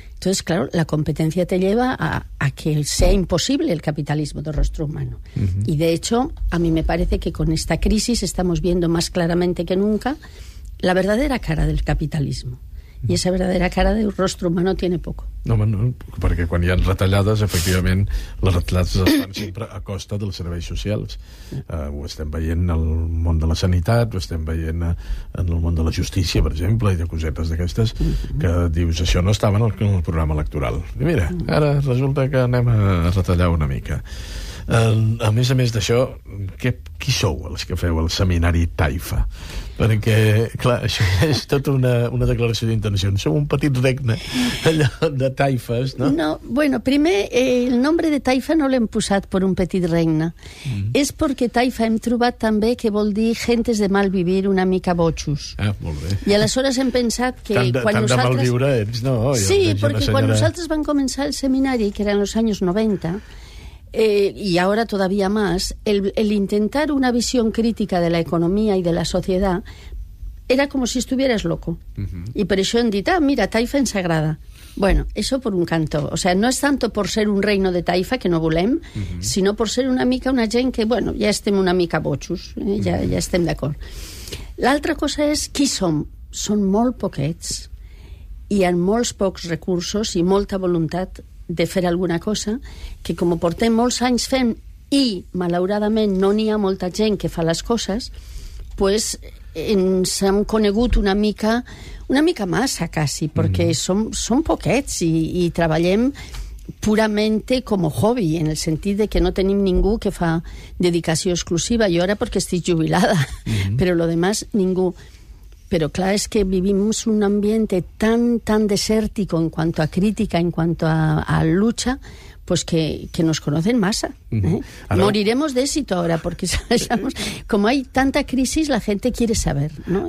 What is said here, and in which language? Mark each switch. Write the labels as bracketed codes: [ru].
[es] Entonces, claro, la competencia te lleva a que sea imposible el capitalismo de rostro humano. Uh-huh. Y de hecho, a mí me parece que con esta crisis estamos viendo más claramente que nunca la verdadera cara del capitalismo. Uh-huh. Y esa verdadera cara del rostro humano tiene poco. [ca] No, home, no, perquè quan hi ha retallades, efectivament, les retallades es fan sempre a costa dels serveis socials. Ho estem veient en el món de la sanitat, ho estem veient en el món de la justícia, per exemple, i de cosetes d'aquestes, que dius, això no estava en el programa electoral. I mira, ara resulta que anem a retallar una mica. A més d'això, qui sou els que feu el seminari Taifa? Perquè, clar, això és tot una declaració d'intencions. Som un petit regne, allò de Taifes, no? No, bueno, primer, el nombre de Taifa no l'hem posat per un petit regne. És perquè Taifa hem trobat també que vol dir gentes de mal vivir, una mica boixos. Ah, molt bé. I aleshores hem pensat que... Tant de mal viure ets, no? Sí, perquè quan nosaltres vam començar el seminari, que eren els anys 90... [es] y ahora todavía más, el intentar una visión crítica de la economía y de la sociedad era como si estuvieras loco. Uh-huh. Y por eso han dicho, mira, Taifa en Sagrada. Bueno, eso por un canto. O sea, no es tanto por ser un reino de Taifa, que [ca] no volem, [es] uh-huh, sino por ser [ca] una mica una gent [es] que, bueno, ya [ca] estem una mica bochus, [es] ya [ca] estem d'acord. L'altra cosa és qui som. Són molt poquets i amb molts pocs recursos i molta voluntat de fer alguna cosa, que com portem molts anys fent i malauradament no n'hi ha molta gent que fa les coses, pues ens hem conegut una mica massa, quasi, perquè som poquets i treballem puramente com a hobby, en el sentit de que no tenim ningú que fa dedicació exclusiva. Jo ara perquè estic jubilada, però [es] lo demás [ca] ningú. [es] Pero claro, es que vivimos un ambiente tan, tan desértico en cuanto a crítica, en cuanto a lucha, pues que nos conocen masa. Ahora, moriremos de éxito ahora, porque sabemos, como hay tanta crisis, la gente quiere saber, ¿no?